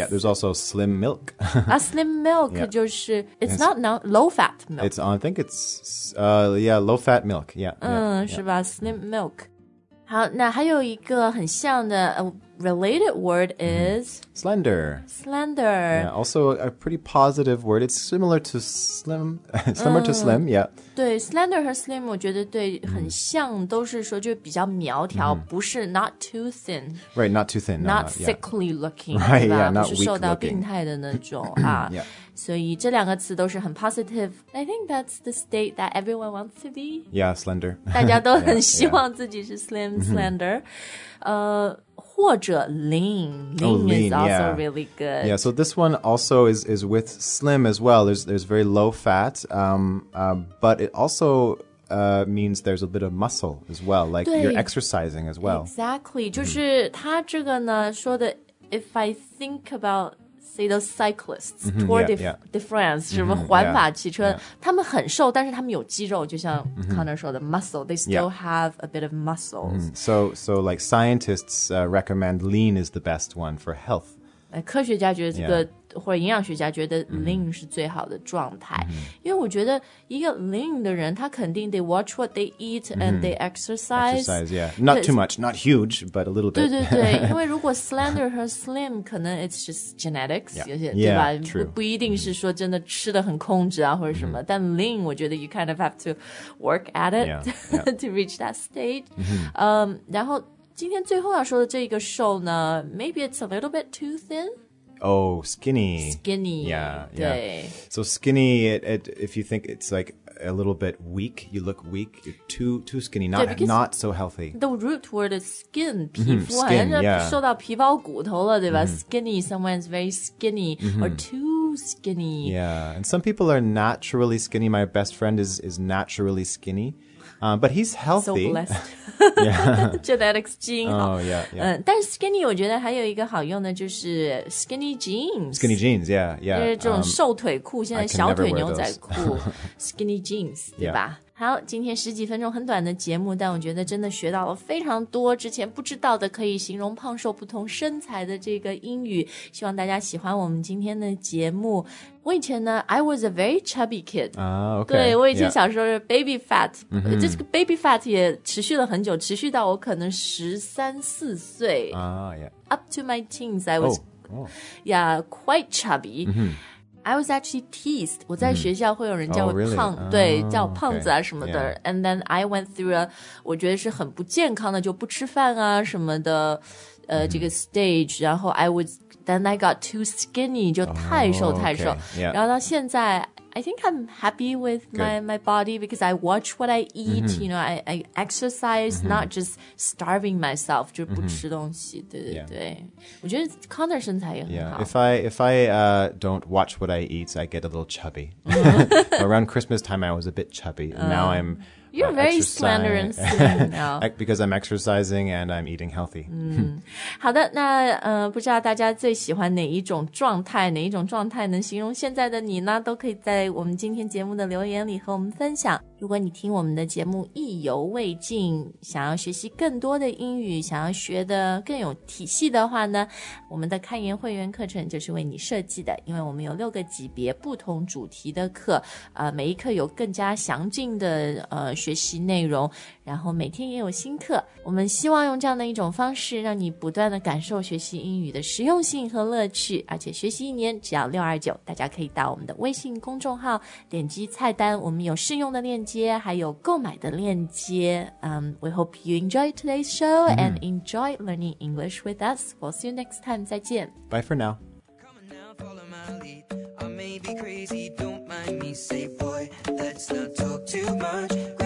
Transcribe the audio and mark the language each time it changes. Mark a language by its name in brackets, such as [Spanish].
[English] Yeah, there's also slim milk. slim milk、 yeah. [Chinese] 就是 [English] it's not low-fat milk. It's, I think it's, yeah, low-fat milk, yeah. [Chinese] 是吧 slim milk. 好那还有一个很像的 [English] related word is... Slender. Slender. Yeah, also a pretty positive word. It's similar to slim, similar to slim, yeah. [Chinese] 对, slender 和 slim 我觉得对很像都是说就比较苗条不是 [English] not too thin. Right, not too thin. Not sickly looking. Right, yeah, not weak looking. [Chinese] 不是受到病态的那种啊。 [English] yeah. [Chinese] 所以这两个词都是很 positive. [English] I think that's the state that everyone wants to be. Yeah, slender. [Chinese] 大家都很希望自己是 slim, slender. 或者 lean. [English] Lean, oh, lean is also yeah. really good. Yeah, so this one also is with slim as well. There's very low fat, but it also... means there's a bit of muscle as well, like you're exercising as well. Exactly. [Chinese] 就是他这个呢说的 [English] if I think about, say, those cyclists, Tour de France, [Chinese] 什么环法汽车、他们很瘦但是他们有肌肉就像 Connor 说的 muscle, [English] they still have a bit of muscle.、 So like scientists recommend lean is the best one for health. [Chinese] 科学家觉得这个、或者营养学家觉得 lean 是最好的状态、因为我觉得一个 lean 的人他肯定 [English] they watch what they eat and they exercise, not too much, not huge, but a little bit. [Chinese] 对对对因为如果 slender 和 slim 可能 [English] it's just genetics, [Chinese] 不一定是说真的吃得很控制啊或者什么、但 lean 我觉得 [English] you kind of have to work at it to reach that stage.、 [Chinese] 然后今天最后要说的这个瘦呢 [English] maybe it's a little bit too thin. Oh, skinny. Skinny. Yeah, yeah. So skinny, if you think it's like a little bit weak, you look weak, you're too skinny, not so healthy. The root word is skin, [Chinese] 皮肤、 [English] skin, [Chinese] 瘦到皮包骨头了对吧、 [English] Skinny, someone's very skinny、or too skinny. Yeah, and some people are naturally skinny. My best friend is naturally skinny. But he's healthy. So blessed. [Chinese] Genetics 基因好。 [English] Oh, yeah, yeah. [Chinese] 但 skinny 我觉得还有一个好用的就是 skinny jeans. [English] Skinny jeans, yeah, yeah. [Chinese] 就是这种瘦腿裤现在小腿牛仔裤。skinny jeans, 对吧、好，今天十几分钟很短的节目，但我觉得真的学到了非常多之前不知道的可以形容胖瘦不同身材的这个英语。希望大家喜欢我们今天的节目。我以前呢 [English] ，I was a very chubby kid. 啊、okay, [Chinese] 对，我以前小时候是 baby fat， 这个 baby fat 也持续了很久，持续到我可能十三四岁。 [English] 啊、yeah. ，Up to my teens, I was, yeah, quite chubby.、I was actually teased. [Chinese] 我在学校会有人叫我胖、 [English] oh, really? [Chinese] 对、oh, 叫我胖子啊什么的、okay. [English] And then I went through a [Chinese] 我觉得是很不健康的就不吃饭啊什么的这个 [English] stage [Chinese] 然后 [English] I was Then I got too skinny [Chinese] 就太瘦、 [English] oh, [Chinese] 太瘦、 [English] okay. yeah. [Chinese] 然后到现在 [English] I think I'm happy with my body because I watch what I eat,、you know, I exercise,、not just starving myself, [Chinese] 就不吃东西、对对对。我觉得 Connor 身材也很好。 [English] Yeah. If I don't watch what I eat, I get a little chubby. Around Christmas time, I was a bit chubby. Now I'm... You're very slender and slim now. Because I'm exercising and I'm eating healthy. [Chinese] 好的，那不知道大家最喜欢哪一种状态，哪一种状态能形容现在的你呢？都可以在我们今天节目的留言里和我们分享。如果你听我们的节目意犹未尽，想要学习更多的英语，想要学的更有体系的话呢，我们的开言会员课程就是为你设计的，因为我们有六个级别不同主题的课，每一课有更加详尽的学习内容，然后每天也有新课，我们希望用这样的一种方式让你不断的感受学习英语的实用性和乐趣，而且学习一年只要629，大家可以到我们的微信公众号点击菜单，我们有试用的链接还有购买的链接。 [English] We hope you enjoy today's show and enjoy learning English with us. We'll see you next time. [Chinese] 再见。 [English] Bye for now. Come on now, follow my lead. I may be crazy, don't mind me. Say boy, let's not talk too much.